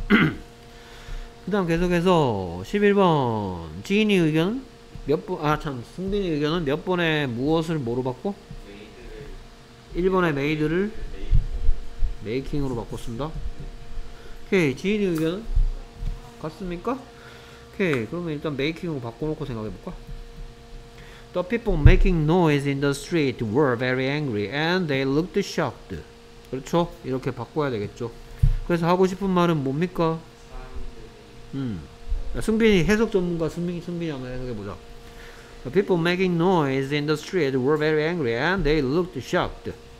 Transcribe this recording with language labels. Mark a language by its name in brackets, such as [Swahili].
[Korean] 그 다음 계속해서 11번 지인이 의견은 몇 번, 아 참 승빈이 의견은 몇 번에 무엇을 뭐로 바꿔? 메이드를 1번에 메이드를 메이킹으로 바꿨습니다. 오케이 지인이 의견은 같습니까? 오케이 그러면 일단 메이킹으로 바꿔놓고 생각해볼까? [English] The people making noise in the street were very angry and they looked shocked. [Korean] 그렇죠? 이렇게 바꿔야 되겠죠. 그래서 하고 싶은 말은 뭡니까? 승빈이 해석 전문가 승빈이 한번 해석해보자. [English] The people making noise in the street were very angry and they looked shocked.